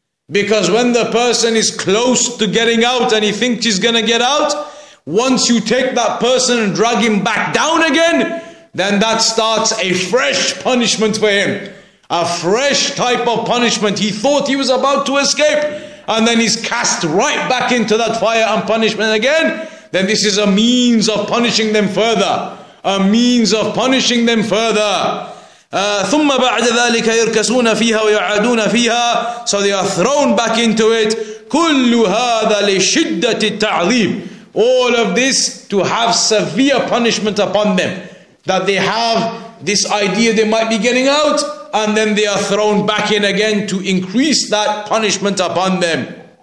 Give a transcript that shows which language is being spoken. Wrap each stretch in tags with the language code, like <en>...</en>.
<en>Because when the person is close to getting out and he thinks he's going to get out, once you take that person and drag him back down again, then that starts a fresh punishment for him. A fresh type of punishment. He thought he was about to escape, and then he's cast right back into that fire and punishment again. Then this is a means of punishing them further. A means of punishing them further.</en> <ar>ثم بعد ذلك يركسون فيها ويعادون فيها.</ar> <en>So they are thrown back into it.</en> <ar>كل هذا لشدة التعذيب.</ar> <en>All of this to have severe punishment upon them. That they have this idea they might be getting out, and then they are thrown back in again to increase that punishment upon them.</en>